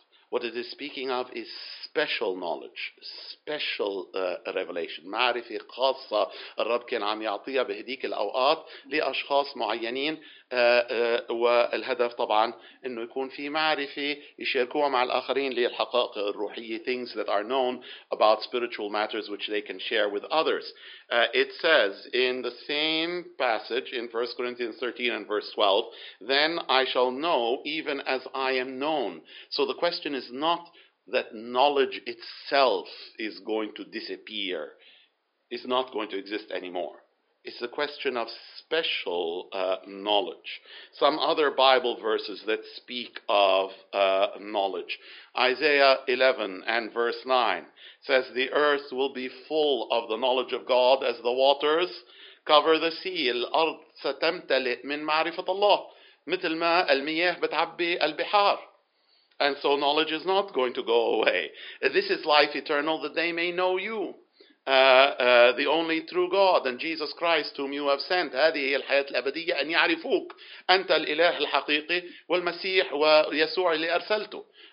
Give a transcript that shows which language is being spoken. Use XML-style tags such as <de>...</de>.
<en>What it is speaking of is special knowledge, special revelation.</en> <ar>معرفة خاصة الرب كان عم يعطيها بهديك الأوقات لأشخاص معينين والهدف طبعا أنه يكون في معرفة يشاركوها مع الآخرين للحقائق الروحية,</ar> <en>things that are known about spiritual matters which they can share with others. It says in the same passage in 1 Corinthians 13 and verse 12, then I shall know even as I am known. So the question is not that knowledge itself is going to disappear, is not going to exist anymore. It's a question of special knowledge. Some other Bible verses that speak of knowledge. Isaiah 11 and verse 9 says, the earth will be full of the knowledge of God as the waters cover the sea.</en> <ar>الأرض ستمتلئ من معرفة الله مثل ما المياه بتعبي البحار.</ar> <en>And so knowledge is not going to go away. This is life eternal, that they may know you, the only true God, and Jesus Christ, whom you have sent.</en> <ar>هذه الحياة الأبدية أن يعرفوك أنت الإله الحقيقي والمسيح ويسوع اللي أرسلته.</ar>